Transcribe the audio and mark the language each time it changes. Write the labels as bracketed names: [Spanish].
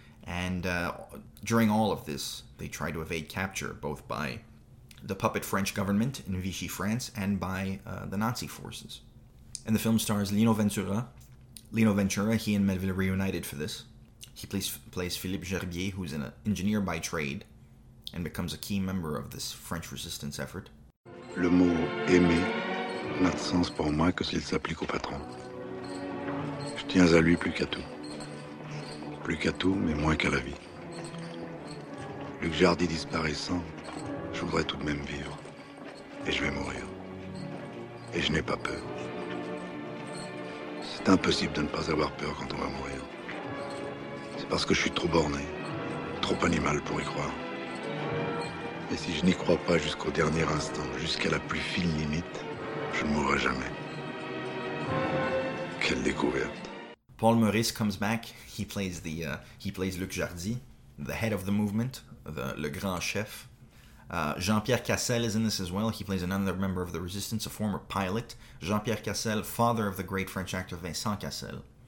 [English] And during all of this, they try to evade capture, both by the puppet French government in Vichy France and by the Nazi forces. And the film stars Lino Ventura, he and Melville reunited for this. He plays Philippe Gerbier, who's an engineer by trade, and becomes a key member of this French resistance effort. [French] Le mot aimer n'a de sens pour moi que s'il s'applique au patron. Je tiens à lui plus qu'à tout. Plus qu'à tout, mais moins qu'à la vie. Luc Jardy disparaissant, je voudrais tout de même vivre. Et je vais mourir. Et je n'ai pas peur. C'est impossible de ne pas avoir peur quand on va mourir. C'est parce que je suis trop borné, trop animal pour y croire. Et si je n'y crois pas jusqu'au dernier instant, jusqu'à la plus fine limite, je ne mourrai jamais. Quelle découverte. [English] Paul Meurice comes back. He plays he plays Luc Jardy, the head of the movement, [French] le grand chef. [English] Jean-Pierre Cassel is in this as well. He plays another member of the resistance, a former pilot. Jean-Pierre Cassel, father of the great French actor Vincent Cassel.